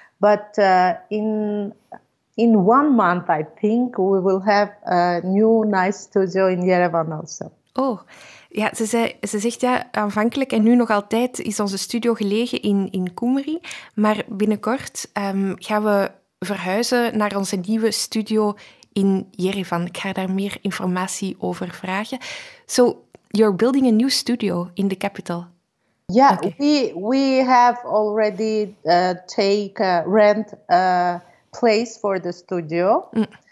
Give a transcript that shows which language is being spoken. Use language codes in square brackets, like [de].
[en] But in 1 month, I think, we will have a new nice studio in Yerevan also. [nl] Oh, ja, ze zegt ja, aanvankelijk en nu nog altijd is onze studio gelegen in Gyumri. Maar binnenkort gaan we verhuizen naar onze nieuwe studio in Yerevan. Ik ga daar meer informatie over vragen. [en] So, you're building a new studio in the capital. Yeah, okay. we have already take rent a place for the studio. Mm.